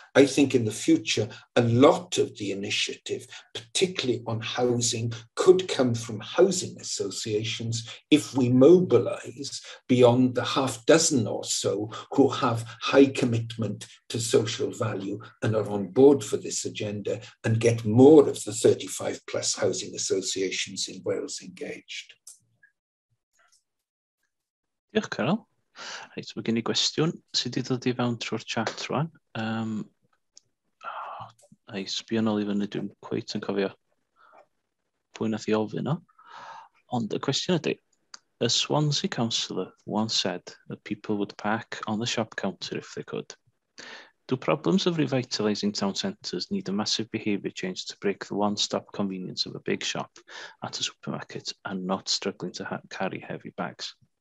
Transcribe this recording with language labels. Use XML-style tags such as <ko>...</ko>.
<en>I think in the future, a lot of the initiative, particularly on housing, could come from housing associations if we mobilise beyond the half dozen or so who have high commitment to social value and are on board for this agenda, and get more of the 35 plus housing associations in Wales engaged.</en> <cy>Diolch, Carol. Reit, mae gen i gwestiwn sydd wedi dod i fewn trwy'r chat rwan. Ai, sbio nôl i fyny, dwi'n cweit yn cofio pwy nath i ofyn o. Ond y cwestiwn ydy,</cy> <en>a Swansea councillor once said that people would park on the shop counter if they could. Do problems of revitalising town centres need a massive behaviour change to break the one-stop convenience of a big shop at a supermarket and not struggling to carry heavy bags?</en>